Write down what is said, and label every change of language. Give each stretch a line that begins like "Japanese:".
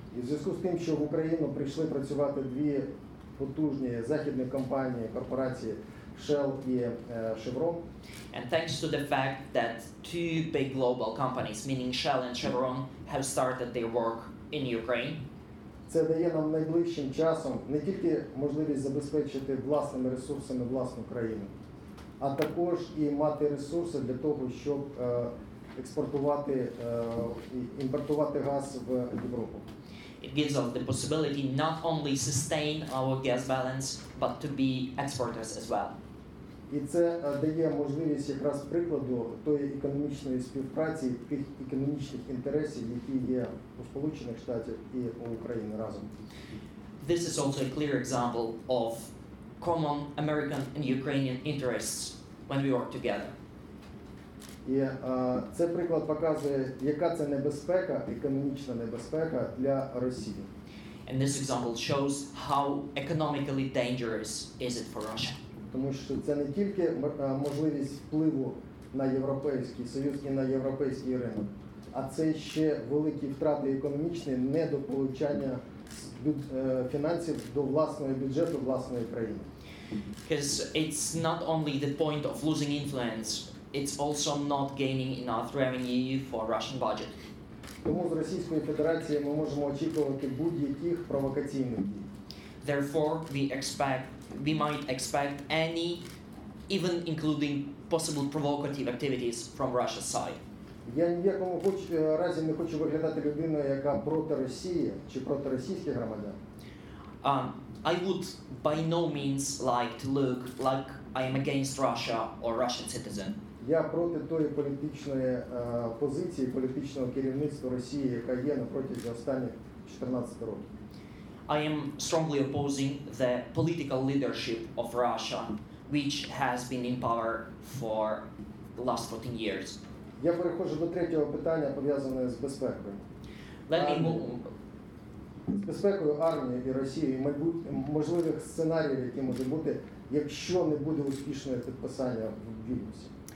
Ukrainian: І в зв'язку з тим, що в Україну прийшли працювати дві потужні західні компанії, корпорації Shell і Chevron.
English: And thanks to the fact that two big global companies, meaning Shell and Chevron, have started their work in Ukraine.
Ukrainian: Це дає нам найближчим часом не тільки можливість забезпечити власними ресурсами власну країну, а також і мати ресурси для того, щоб експортувати і імпортувати газ в Європу.
English: It gives us the possibility not only sustain our gas balance, but to be exporters as well.
Ukrainian: І це дає можливість якраз прикладу тої економічної співпраці, тих економічних інтересів, які є у Сполучених Штатах і у Україні разом.
English: This is also a clear example of common American and Ukrainian interests when we work together.
Ukrainian: І це приклад показує, яка це небезпека, економічна небезпека для Росії.
English: And this example shows how economically dangerous is it for Russia.
Ukrainian: Тому що це не тільки можливість впливу на Європейський Союз і на європейський ринок, а це ще великі втрати економічні, недополучання фінансів до власного бюджету власної країни.
English: Because it's not only the point of losing influence, it's also not gaining enough revenue for Russian budget.
Ukrainian: Тому з Російської Федерації ми можемо очікувати будь-яких провокаційних дій.
English: Therefore, we might expect any, even including possible provocative activities from Russia's side.
Ukrainian: Я ні в якому разі не хочу виглядати людиною, яка проти Росії чи проти російських громадян.
English: I would by no means like to look like I am against Russia or Russian citizen.
Ukrainian: Я проти тої політичної позиції, політичного керівництва Росії, яка є протягом останніх 14 років.
English: I am strongly opposing the political leadership of Russia, which has been in power for the last 14 years.
Ukrainian: Я переходжу до третього питання, пов'язаного з безпекою.
English: Let me
Ukrainian: з безпекою армії і Росії, можливих сценаріїв, які можуть бути, якщо не буде успішного підписання в Вільнюсі.